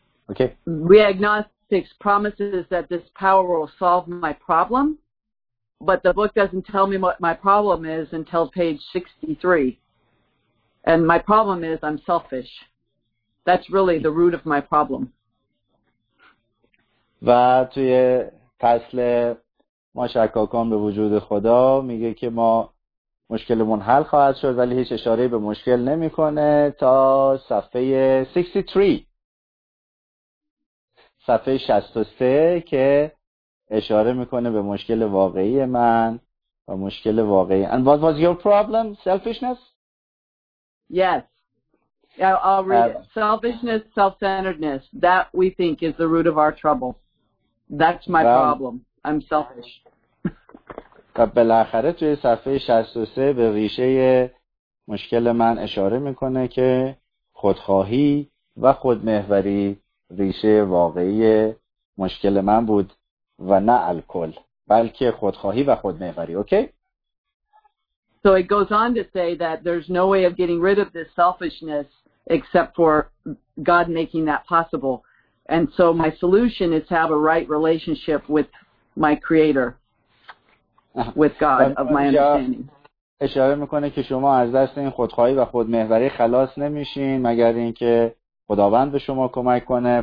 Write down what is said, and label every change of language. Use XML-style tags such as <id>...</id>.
<en>Okay. We agnostics promises that this power will solve my problem, but the book doesn't tell me what my problem is until page 63. And my problem is I'm selfish. That's really the root of my problem.</en> <fa>و توی فصل ما شکاکان به وجود خدا میگه که ما مشکلمون حل خواهد شد، ولی هیچ اشاره‌ای به مشکل نمی‌کنه تا صفحه 63. صفحه 63 که اشاره میکنه به مشکل واقعی من و مشکل واقعی.</fa> <en>And what was your problem? Selfishness? Yes. I'll read it. Selfishness, self-centeredness. That we think is the root of our trouble. That's my problem. I'm selfish.</en> <fa>و بالاخره توی صفحه 63 به ریشه مشکل من اشاره میکنه که خودخواهی و خودمحوری ریشه واقعی مشکل من بود و نه الکل، بلکه خودخواهی و خودمحوری.</fa> <en>Okay? So it goes on to say that there's no way of getting rid of this selfishness except for God making that possible. And so my solution is to have a right relationship with my creator, with God of my understanding.</en> <fa>اشاره میکنه که شما از دست این خودخواهی و خودمحوری خلاص نمیشین مگر اینکه خداوند به شما کمک کنه.</fa>